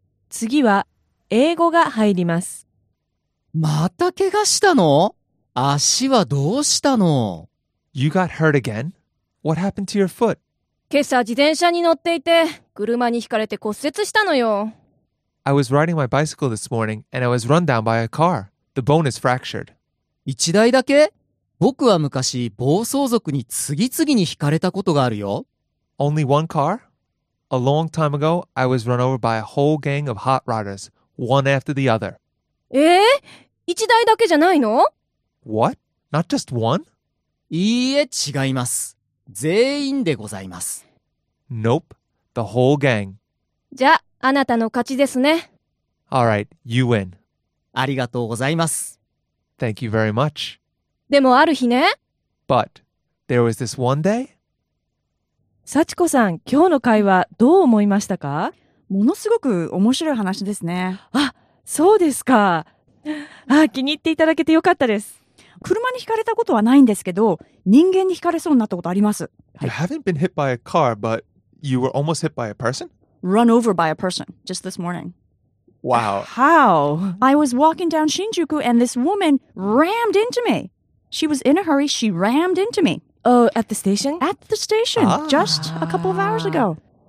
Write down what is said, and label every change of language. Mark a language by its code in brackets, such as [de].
[ja] 次は、英語が入ります。また怪我したの?足はどうしたの? [en] You got hurt again? What happened to your foot? [ja] 今朝自転車に乗っていて、車にひかれて骨折したのよ。 [en] I was riding my bicycle this morning, and I was run down by a car. The bone is fractured. [ja] 一台だけ? 僕は昔、暴走族に次々にひかれたことがあるよ。 [en] Only one car? A long time ago, I was run over by a whole gang of hot rodders, one after the other. [ja] 一台だけじゃないの? [en] What? Not just one? [ja] いいえ、違います。全員でございます。 [en] Nope. The whole gang. [ja] じゃあ、あなたの勝ちですね。 [en] Alright, you win. [ja] ありがとうございます。 [en] Thank you very much. [ja] でもある日ね。 [en] But, there was this one day... [ja] 幸子さん、今日の会話どう思いましたか? ものすごく面白い話ですね。あ、そうですか。あ、気に入っていただけてよかったです。車に轢かれたことはないんですけど、人間に轢かれそうになったことあります。 [en] You haven't been hit by a car, but you were almost hit by a person? Run over by a person, just this morning. Wow. How? I was walking down Shinjuku and this woman rammed into me. She was in a hurry. She rammed into me. Oh, at the station? At the station. Ah. Just a couple of hours ago.